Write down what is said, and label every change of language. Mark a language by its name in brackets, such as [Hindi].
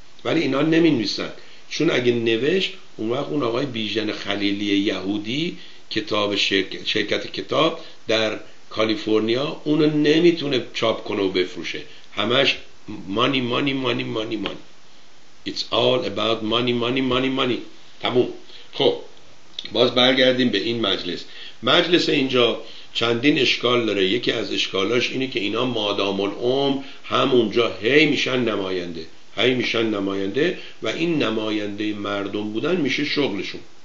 [Persian] ولی اینا نمی نویسن، چون اگه نوشت اون وقت اون آقای بیژن خلیلی یهودی کتاب شرکت کتاب در کالیفرنیا اونو نمیتونه چاپ کنه و بفروشه، همش مانی مانی مانی مانی مانی. [English] It's all about money, money, money, money. [Persian] تموم. خب باز برگردیم به این مجلس. مجلس اینجا چندین اشکال داره. یکی از اشکالاش اینه که اینا مادام العمر همونجا هی میشن نماینده، هی میشن نماینده، و این نماینده مردم بودن میشه شغلشون.